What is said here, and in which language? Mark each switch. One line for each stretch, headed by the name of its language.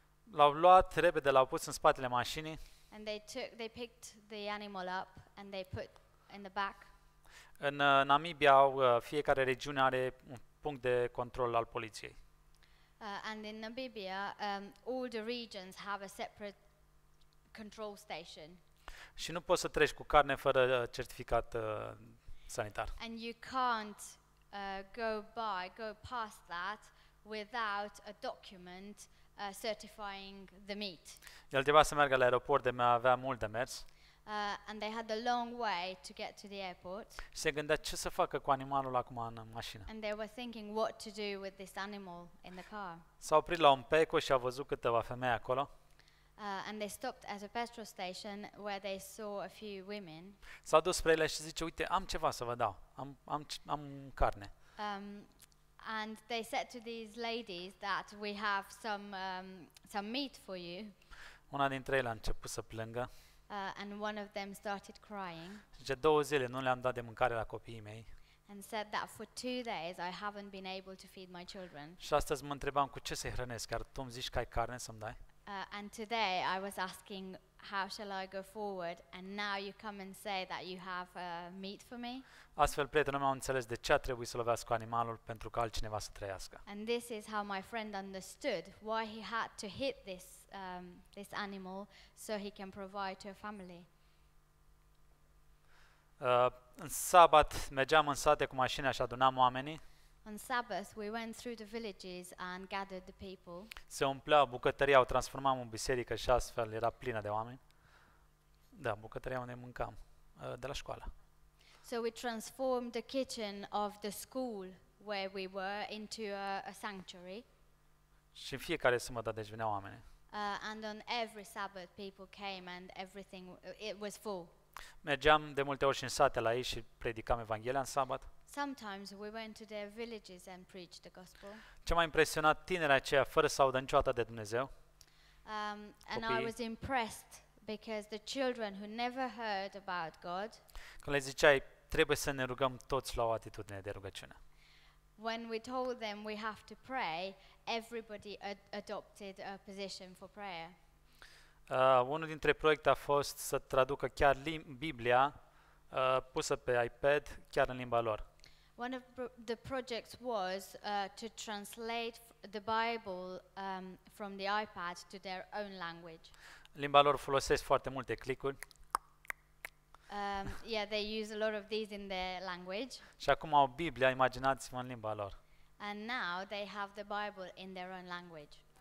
Romanian: L-au luat repede, l-au pus în spatele mașinii.
English: And they picked the animal up and they put in the back.
Romanian: În Namibia, fiecare regiune are un punct de control al poliției.
English: And in Namibia, all the regions have a separate control station.
Romanian: Și nu poți să treci cu carne fără certificat sanitar.
English: And you can't go past that without a document certifying the meat.
Romanian: El trebuia să meargă la aeroport, de mai avea mult de mers.
English: And they had a long way to get to the airport.
Romanian: Se gândea ce să facă cu animalul acum în mașină.
English: And they were thinking what to do with this animal in the car.
Romanian: S-a oprit la un peco și a văzut câteva femei acolo.
English: And they stopped at a petrol station where they saw a few women.
Romanian: S-a dus spre ele și zice: "Uite, am ceva să vă dau. Am carne."
English: And they said to these ladies that we have some meat for you.
Romanian: Una dintre ele a început să plângă.
English: And one of them started crying.
Romanian: Zice: "Două zile nu le-am dat de mâncare la copiii mei."
English: And said that for two days I haven't been able to feed my children.
Romanian: Și astăzi mă întrebam cu ce să-i hrănesc, iar tu îmi zici că ai carne să-mi dai?
English: And today I was asking how shall I go forward and now you come and say that you have meat for me.
Romanian: Astfel prietenul meu a înțeles de ce a trebuit să lovească animalul pentru ca altcineva să trăiască.
English: And this is how my friend understood why he had to hit this animal so he can provide to a family.
Romanian: În sabat mergeam în sate cu mașina și adunam oamenii.
English: On Sabbath we went through the villages and gathered the people.
Romanian: Se umplea bucătăria, o transformam în biserică și astfel era plină de oameni. Da, bucătăria unde mâncam de la școală.
English: So we transformed the kitchen of the school where we were into a sanctuary.
Romanian: Și în fiecare sâmbătă deci veneau oameni.
English: And on every Sabbath people came and everything it was full.
Romanian: Mergeam de multe ori și în sate la ei și predicam Evanghelia în sabat.
English: Sometimes we went to their villages and preached the gospel.
Romanian: Ce m-a impresionat, tinerea aceea fără să audă niciodată de Dumnezeu.
English: And I was impressed because the children who never heard about God.
Romanian: Când le ziceai trebuie să ne rugăm toți la o atitudine de rugăciune.
English: When we told them we have to pray, everybody adopted a position for prayer.
Romanian: Unul dintre proiecte a fost să traducă chiar Biblia pusă pe iPad chiar în limba lor.
English: One of the projects was to translate the Bible from the iPad to their own language.
Romanian: Limba lor folosesc foarte multe clicuri.
English: They use a lot of these in their language.
Romanian: Și acum au Biblia, imaginați-vă în limba lor.
English: And now they have the Bible in their own language.